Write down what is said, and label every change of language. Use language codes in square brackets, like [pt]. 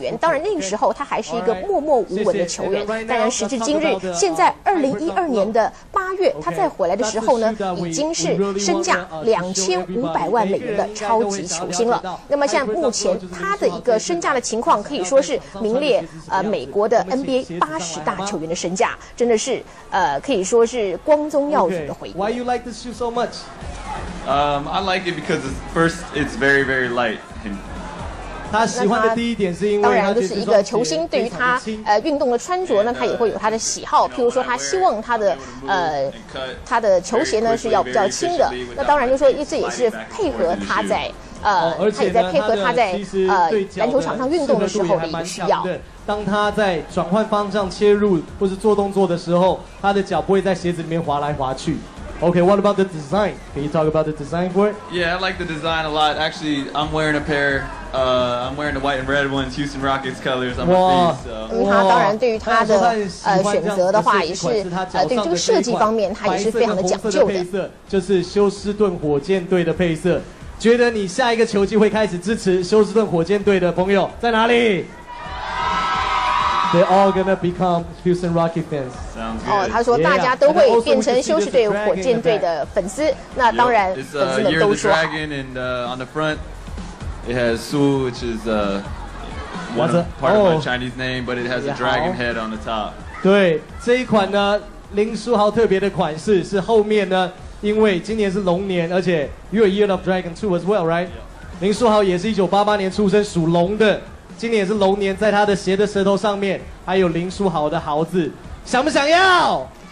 [zh] 当然那个时候他还是一个默默无闻的球员。当然时至今日，现在2012年的8月，他再回来的时候呢，已经是身价$2500万的超级球星了。那么现在目前他的一个身价的情况，可以说是名列美国的 NBA 80大球员的身价，真的是可以说是光宗耀祖的回忆。 [en] Why you like this shoe so much? I like it because first it's very very light. [zh] 他喜欢的第一点是因为当然就是一个球星对于他运动的穿着呢，他也会有他的喜好，譬如说他希望他的球鞋呢是要比较轻的。那当然就是说这也是配合他在。他也在配合他在篮球场上运动的时候的一个需要。当他在转换方向切入或是做动作的时候，他的脚不会在鞋子里面滑来滑去。 [en] Okay, what about the design? Can you talk about the design for it? Yeah, I like the design a lot. Actually, I'm wearing a pair. I'm wearing the white and red ones, Houston Rockets colors on my feet. [zh] 他当然对于他的选择的话，也是对这个设计方面，他也是非常的讲究的。白色跟红色的配色，就是休斯顿火箭队的配色。觉得你下一个球季会开始支持休斯顿火箭队的朋友在哪里？ [en] They're all gonna become Houston Rockets fans. [zh] 他说大家都会变成休斯顿火箭队的粉丝。那当然，粉丝们都说。 [en] Year of the Dragon, and on the front, it has Su, which is part of my Chinese name, but it has a dragon head on the top. [zh] 对，这一款呢，林书豪特别的款式是后面呢。因为今年是龙年，而且 [en] you're a year of dragon too as well, right? [zh] 林书豪也是1988年出生，属龙的，今年是龙年，在他的鞋的舌头上面还有林书豪的豪字，想不想要？